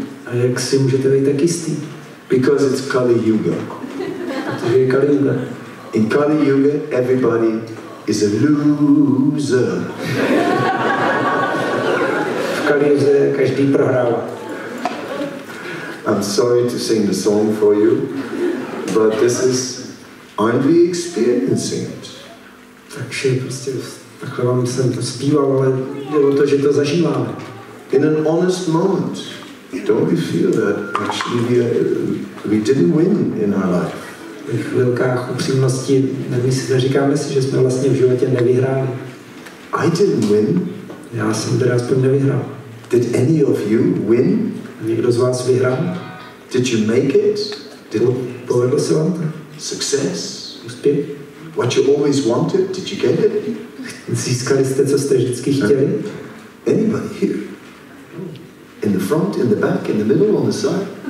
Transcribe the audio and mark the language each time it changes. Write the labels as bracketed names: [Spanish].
[Czech] A jak si můžete být tak jistý? [English] Because it's Kali Yuga. [Czech] Protože je Kali Yuga. [English] In Kali Yuga, everybody is a loser. [Czech] V Kali Yuga každý prohrává. [English] I'm sorry to sing the song for you, but this is... Aren't we experiencing it? [Czech] Takže prostě takhle vám jsem to zpíval, ale je o to, že to zažíváme. [English] In an honest moment, don't we feel that actually we didn't win in our life? [Czech] V chvilkách upřímnosti neříkáme si, že jsme vlastně v životě nevyhráli. [English] I didn't win. [Czech] Já jsem teda aspoň nevyhrál. [English] Did any of you win? [Czech] Někdo z vás vyhrál? [English] Did you make it? [Czech] Povedlo se vám to? [English] Success? [Czech] Úspěch? [English] What you always wanted? Did you get it? [Czech] Získali jste, co jste vždycky chtěli? [English] Anybody here? In the front, in the back, in the middle, on the side?